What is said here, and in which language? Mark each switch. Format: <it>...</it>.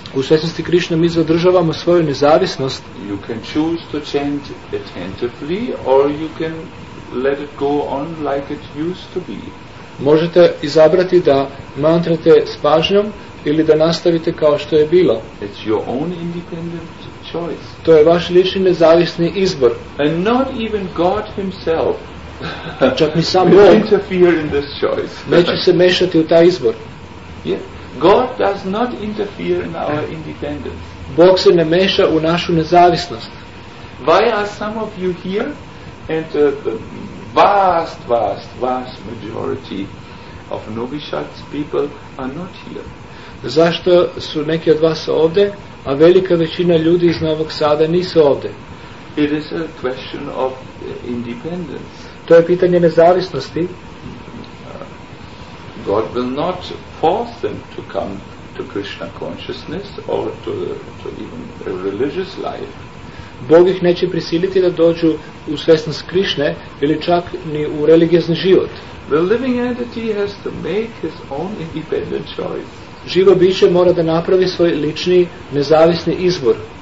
<sr>U svesnosti Krishna mi zadržavamo svoju nezavisnost.</sr> <en>You can choose to chant attentively or you can let it go on like it used to be.</en> <sr>Možete izabrati da mantrate s pažnjom ili da nastavite kao što je bilo.</sr> <en>It's your own independent choice.</en> <sr>To je vaš lični nezavisni izbor.</sr> <en>And not even God himself</en> <sr>čak ni sam Bog</sr> <en>interfere in this choice.</en> <sr>Neće se mešati u taj izbor.</sr> <en>Yeah. God does not interfere in our independence.</en> <sr>Bog se ne meša u našu nezavisnost.</sr> <en>Why are some of you here? And the vast majority of Novi Sad's people are not here.</en> <sr>Zašto su neki od vas ovde, a velika većina ljudi iz Novog Sada nisu ovde.</sr> <en>It is a question of independence.</en> <sr>To je pitanje nezavisnosti.</sr> <en>God will not force them to come to Krishna consciousness or to even a religious life.</en> <sr>Bog ih neće prisiliti da dođu u svesnost Krišne ili čak ni u religijski život.</sr> <en>The living entity has to make his own independent choice.</en> <sr>Živo biće mora da napravi svoj lični nezavisni izbor.</sr>